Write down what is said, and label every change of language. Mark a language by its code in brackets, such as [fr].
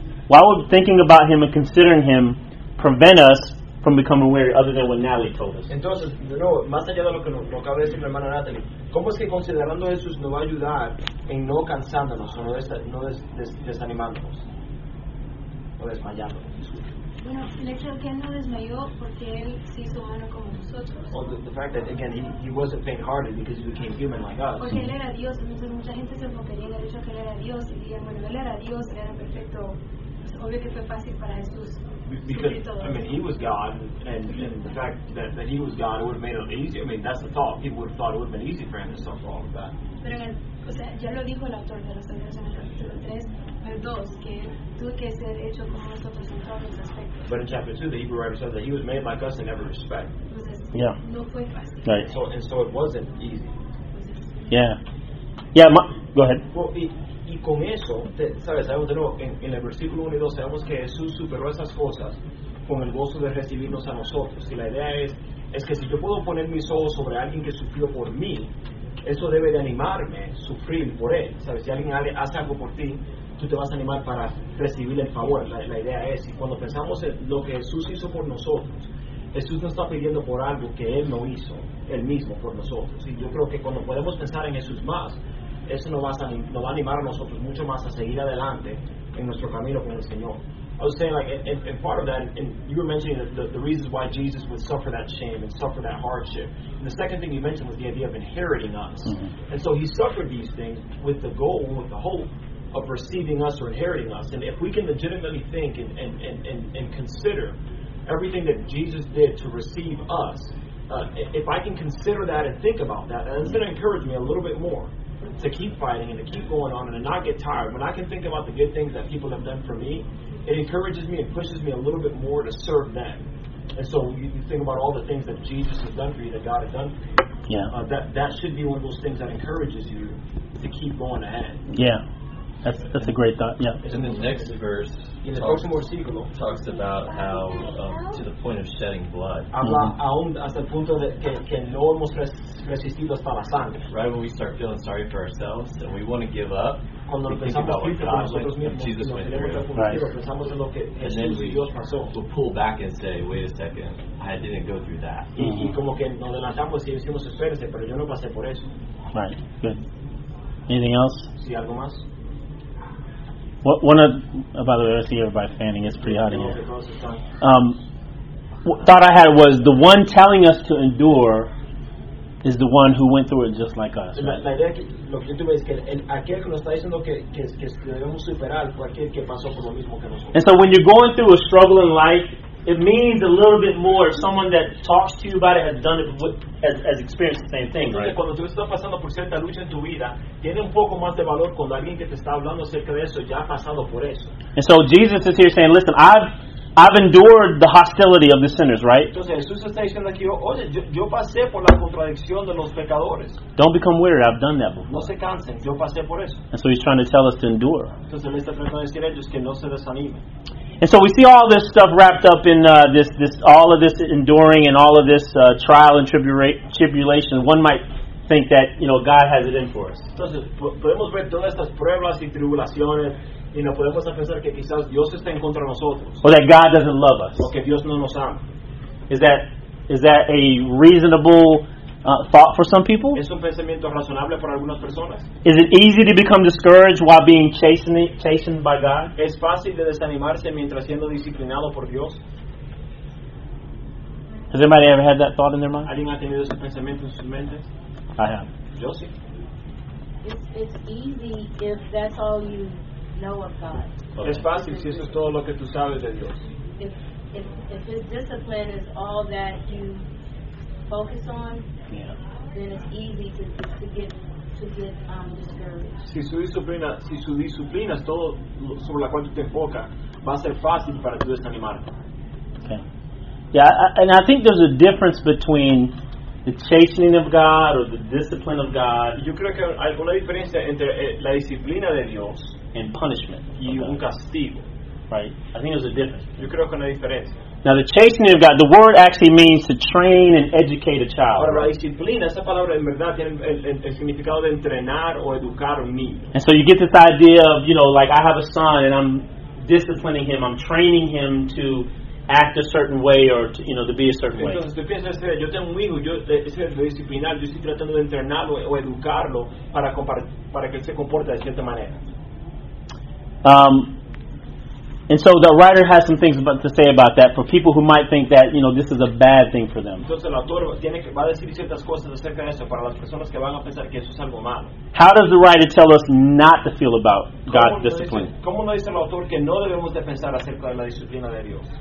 [en] Why would thinking about him and considering him prevent us from becoming weary, other than what Natalie told us? [es] Entonces, de nuevo, más allá de lo que nos acaba de decir la hermana Natalie, ¿cómo es que considerando a Jesús nos va a ayudar en no cansándonos o no desanimándonos o desmayándonos? Bueno, el hecho de que él no desmayó porque él se hizo humano como nosotros. [en] Well, the fact that again he wasn't faint-hearted because he became human like us. [es] Porque él era Dios, entonces mucha gente se enfocaría en el hecho que él era Dios y dirían, bueno, él era Dios, era perfecto. Obvio que fue fácil para Jesús. [en] Because I mean, he was God, and the fact that he was God would have made it easy. I mean, that's the thought. People would have thought it would have been easy for him to suffer all of that. [es] Pero en el, o sea, ya lo dijo el autor de los Hebreos en el capítulo 2, que tuvo que ser hecho como nosotros en todos los aspectos. [en] But in chapter 2, the Hebrew writer says that he was made like us in every respect. [es] Entonces, yeah. No fue fácil. [en] Right. So it wasn't easy. Yeah. Go ahead. [es] Well, y con eso, sabes, de nuevo, en el versículo 1 y 2 sabemos que Jesús superó esas cosas con el gozo de recibirnos a nosotros. Y la idea es que si yo puedo poner mis ojos sobre alguien que sufrió por mí, eso debe de animarme a sufrir por él. Sabes, si alguien hace algo por ti, tú te vas a animar para recibir el favor. La idea es, y cuando pensamos en lo que Jesús hizo por nosotros, Jesús no está pidiendo por algo que él no hizo, él mismo por nosotros. Y yo creo que cuando podemos pensar en Jesús más, eso nos va a animar a nosotros mucho más a seguir adelante en nuestro camino con el Señor. [en] I was saying, like, and part of that, and you were mentioning the reasons why Jesus would suffer that shame and suffer that hardship. And the second thing you mentioned was the idea of inheriting us. Mm-hmm. And so he suffered these things with the goal, with the hope of receiving us or inheriting us. And if we can legitimately think and consider everything that Jesus did to receive us, if I can consider that and think about that, then it's going to encourage me a little bit more to keep fighting and to keep going on and to not get tired. When I can think about the good things that people have done for me, it encourages me and pushes me a little bit more to serve them. And so you think about all the things that Jesus has done for you, that God has done for you. Yeah. That should be one of those things that encourages you to keep going ahead. Yeah. That's a great thought. Yeah. In the next verse, in the [es] próximo versículo, [en] talks about how to the point of shedding blood. [es] Habla aún hasta el punto de que no hemos resistido hasta la sangre. [en] Right when we start feeling sorry for ourselves and we want to give up. [es] Cuando empezamos a pensar en nosotros mismos, [en] Jesus went through. [es] Right. Pensamos en lo que Jesús pasó. [en] We pull back and say, wait a second, I didn't go through that. [es] Y como que nos adelantamos y decimos, espérense, pero yo no pasé por eso. [en] Right. Good. Anything else? [es] Sí, algo más. [en] By the way, I see everybody fanning. It's pretty hot in here. Thought I had was the one telling us to endure is the one who went through it just like us. [es] La idea lo que yo tuve es que aquel que nos está diciendo que debemos superar fue aquel que pasó por lo mismo que nosotros. [en] And so when you're going through a struggle in life, it means a little bit more if someone that talks to you about it has done it, has experienced the same thing, right? [es] Cuando tú estás pasando por cierta lucha en tu vida, tiene un poco más de valor cuando alguien que te está hablando acerca de eso ya ha pasado por eso. [en] And so Jesus is here saying, listen, I've endured the hostility of the sinners, right? [es] Entonces Jesús está diciendo aquí, oye, yo pasé por la contradicción de los pecadores. [en] Don't become weary, I've done that before. [es] No se cansen, yo pasé por eso. [en] And so he's trying to tell us to endure. [es] Entonces le está tratando de decir a ellos que no se desanimen. [en] And so we see all this stuff wrapped up in this all of this enduring and all of this trial and tribulation. One might think that, you know, God has it in for us. [es] Entonces, podemos ver todas estas pruebas y tribulaciones y no podemos pensar que quizás Dios está en contra de nosotros. [en] Or that God doesn't love us. [es] Porque Dios no nos ama. [en] Is that a reasonable thought for some people? [es] ¿Es un pensamiento razonable para algunas personas? [en] Is it easy to become discouraged while being chastened by God? [es] ¿Es fácil de desanimarse mientras siendo disciplinado por Dios? [en] Has anybody ever had that thought in their mind? [es] ¿Alguien ha tenido ese pensamiento en sus mentes? [en] I have. [es] Yo sí. [en] It's easy if that's all you know of God. Okay. [es] Es fácil si eso es todo lo que tú sabes de Dios. [en] If his discipline is all that you focus on, then it's easy to get discouraged. [es] Si su disciplina es todo sobre la cual tú te enfocas, va a ser fácil para tú desanimarte. [en] Okay. Yeah, and I think there's a difference between the chastening of God or the discipline of God. [es] Yo creo que hay una diferencia entre la disciplina de Dios [en] and punishment [es] y un castigo. [en] Right. I think there's a difference. [es] Yo creo que hay una diferencia. [en] Now the chastening of God, the word actually means to train and educate a child. [es] Ahora, la disciplina, esa palabra en verdad tiene el significado de entrenar o educar a un niño. [en] And so you get this idea of, you know, like I have a son and I'm disciplining him, I'm training him to act a certain way or to, you know, to be a certain way. [es] Entonces, piensas, yo tengo un hijo, yo estoy disciplinando, yo estoy tratando de entrenarlo o educarlo para que él se comporte de cierta manera. [en] And so the writer has some things to say about that for people who might think that, you know, this is a bad thing for them. [es] Entonces, el autor va a decir ciertas cosas acerca de eso para las personas que van a pensar que eso es algo malo. [en] How does the writer tell us not to feel about God's discipline? [es] ¿Cómo no dice el autor que no debemos de pensar acerca de la disciplina de Dios?